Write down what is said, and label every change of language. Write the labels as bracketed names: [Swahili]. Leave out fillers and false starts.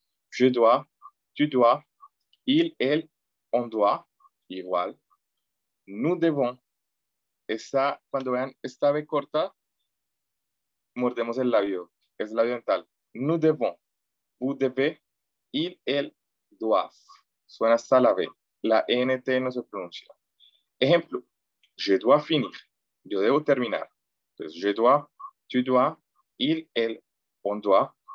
[French] Je dois, tu dois, il, [Spanish] él, [French] on doit, [Spanish] igual. [French] Nous devons, [Spanish] esta, cuando vean esta B corta, mordemos el labio, es labio dental. [French] Nous devons, vous devez, il, [Spanish] él, [French] doit. [Spanish] Suena hasta la B. La NT no se pronuncia. Ejemplo, [French] je dois finir. [Spanish] Yo debo terminar. Entonces, [French] je dois, tu dois, il, [Spanish] él, [French] on doit.